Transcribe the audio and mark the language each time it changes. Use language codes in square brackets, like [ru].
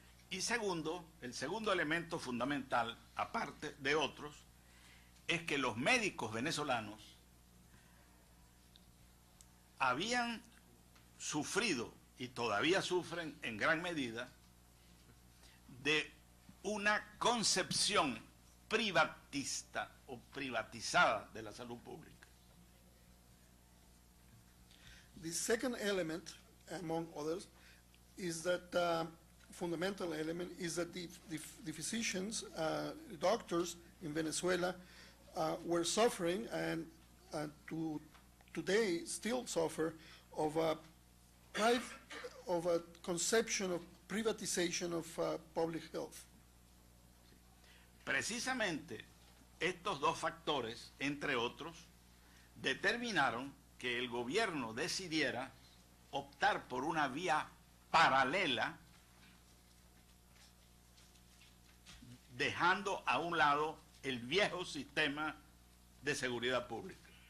[es] Y segundo, el segundo elemento fundamental, aparte de otros, es que los médicos venezolanos habían sufrido y todavía sufren en gran medida de una concepción privatista o privatizada de la salud pública. [en] The second element, among others, is that fundamental element is that the physicians, the doctors in Venezuela were suffering and to today still suffer of a conception of privatization of public health. [es] Precisamente estos dos factores, entre otros, determinaron que el gobierno decidiera optar por una vía paralela, dejando a un lado el viejo sistema de seguridad pública.